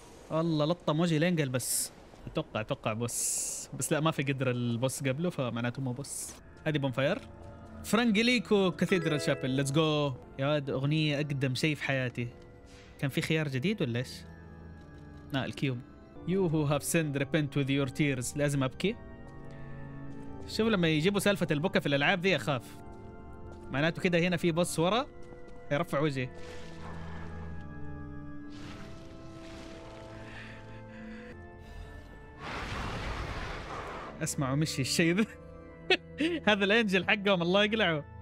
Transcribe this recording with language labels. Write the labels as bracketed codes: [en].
[ar] والله لطم وجهي لينقل بس. اتوقع اتوقع بوس. بس لا ما في قدر البوس قبله فمعناته مو بوس. هذه بونفاير. فرانجليكو كاثيدرال شابل [en] Let's go. [ar] يا ولد اغنية اقدم شيء في حياتي. كان في خيار جديد ولا ايش؟ آه الكيوم. [en] You who have sinned repent with your tears. [ar] لازم ابكي. شوف لما يجيبوا سالفة البكا في الالعاب ذي اخاف. معناته كده هنا في بوس ورا يرفع وجهي. اسمعوا مشي الشيء ذا. هذا الانجل حقهم الله يقلعه.